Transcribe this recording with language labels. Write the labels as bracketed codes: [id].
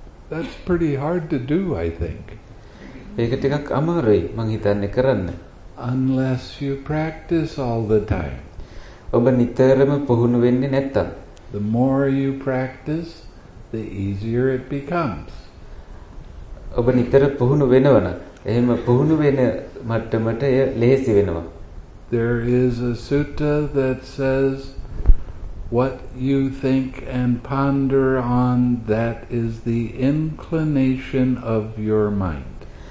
[en] That's pretty hard to do, I think. [si] ඒක ටිකක් අමාරුයි මං හිතන්නේ කරන්න. [en] Unless you practice all the time. [si] ඔබ නිතරම පුහුණු වෙන්නේ නැත්තම්. [en] The more you practice, the easier it becomes. [si] ඔබ නිතර පුහුණු වෙනවනම්, එහෙම පුහුණු වෙන මට්ටමට එය ලේසි වෙනවා. [en] There is a sutta that says, "What you think and ponder on, that is the inclination of your mind."